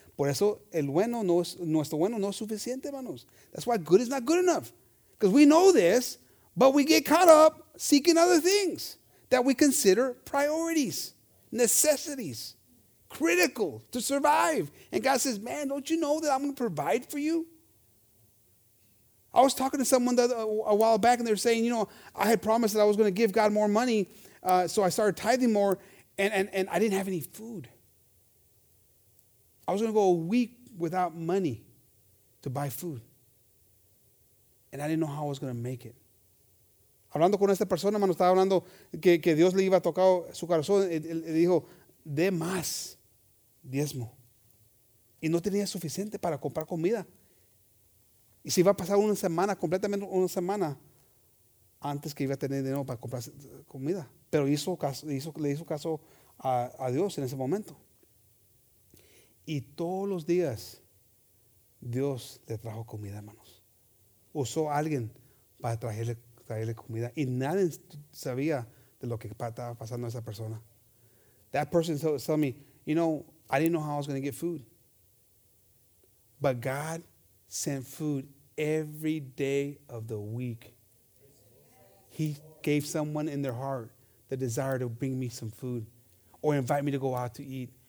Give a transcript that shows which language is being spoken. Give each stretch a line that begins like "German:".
Spanish: Por eso, nuestro bueno no es suficiente, hermanos.
English: That's why good is not good enough. Because we know this, but we get caught up seeking other things that we consider priorities, necessities. Critical to survive. And God says, man, don't you know that I'm going to provide for you? I was talking to someone a while back, and they were saying, you know, I had promised that I was going to give God more money, so I started tithing more, and I didn't have any food. I was going to go a week without money to buy food. And I didn't know how I was going to make it.
Spanish: Hablando con esta persona, hermano, estaba hablando que Dios le iba a tocar su corazón. Él dijo, dé más diezmo. Y no tenía suficiente para comprar comida. Y se iba a pasar una semana, completamente una semana, antes que iba a tener dinero para comprar comida. Pero hizo caso, le hizo caso a Dios en ese momento. Y todos los días, Dios le trajo comida, hermanos. Usó a alguien para traerle comida. Y nadie sabía de lo que estaba pasando a esa persona.
English: That person told me, you know, I didn't know how I was going to get food. But God sent food every day of the week. He gave someone in their heart the desire to bring me some food or invite me to go out to eat.